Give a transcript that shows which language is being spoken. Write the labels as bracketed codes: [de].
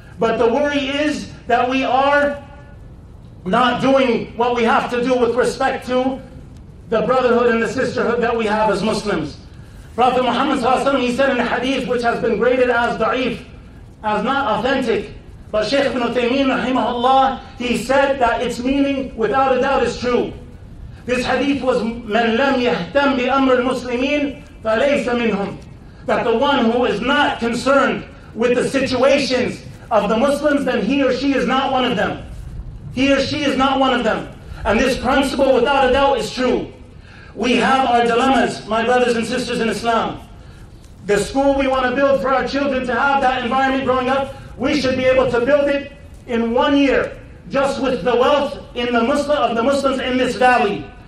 [en] But the worry is that we are not doing what we have to do with respect to the brotherhood and the sisterhood that we have as Muslims. Prophet Muhammad sallallahu alaihi wasallam, he said in a hadith which has been graded as da'if, as not authentic, but Shaykh ibn Uthaymeen rahimahullah, he said that its meaning without a doubt is true. This hadith was, [ar] من لم يهتم بأمر المسلمين فليس منهم. [en] That the one who is not concerned with the situations of the Muslims, then he or she is not one of them. He or she is not one of them. And this principle without a doubt is true. We have our dilemmas, my brothers and sisters in Islam. The school we want to build for our children to have that environment growing up, we should be able to build it in 1 year, just with the wealth in the Muslim, of the Muslims in this valley.